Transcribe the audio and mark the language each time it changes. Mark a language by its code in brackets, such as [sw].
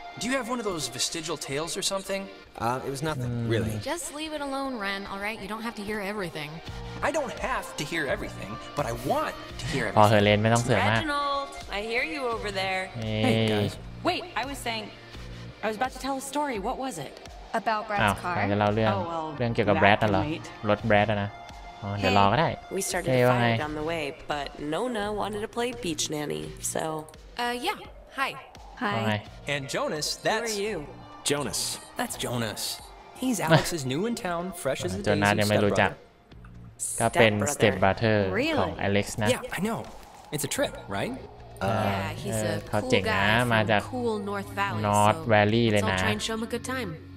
[en] Do you have one of those vestigial tales or something? It was nothing, really. Just leave it alone, Ren, all right? You don't have to hear everything. I don't have to hear everything, but I want to hear everything. [th] พอเฮเลนไม่ต้องเสือกมาก [en] Reginald, I hear you over there. Hey, guys. Wait, I was about to tell a story. What was it? About Brad's car. [th] ใครจะเล่าเรื่องเรื่องเกี่ยวกับ Brad น่ะเหรอรถ Brad อ่ะนะเดี๋ยวรอก็ได้ [en] We started to fight down the way, but Nona wanted to play beach nanny, so... yeah. Hi. And Jonas, that's... Who are you? Jonas. That's Jonas. He's Alex's new in town, fresh as a daisy stepbrother. [th] ก็เป็น stepbrother ของ Alex นะ [en] Yeah, I know. It's a trip, right? Yeah, he's a cool guy from the cool North Valley, so let's all try and show him a good time.